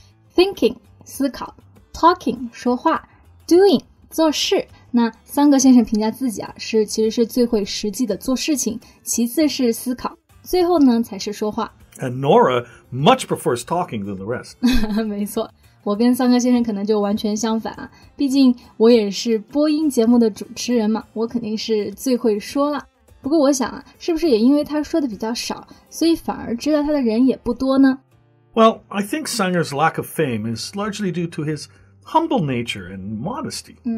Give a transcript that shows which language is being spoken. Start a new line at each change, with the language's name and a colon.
Chinese: thinking, 思考 talking, 说话 doing, 做事那桑格先生评价自己啊，是其实是最会实际的做事情，其次是思考，最后呢才是说话。
English: And Nora much prefers talking than the rest.
Chinese: 没错，我跟桑格先生可能就完全相反啊，毕竟我也是播音节目的主持人嘛，我肯定是最会说了。不过我想啊，是不是也因为他说的比较少，所以反而知道他的人也不多呢？
English: Well, I think Sanger's lack of fame is largely due to his humble nature and modesty.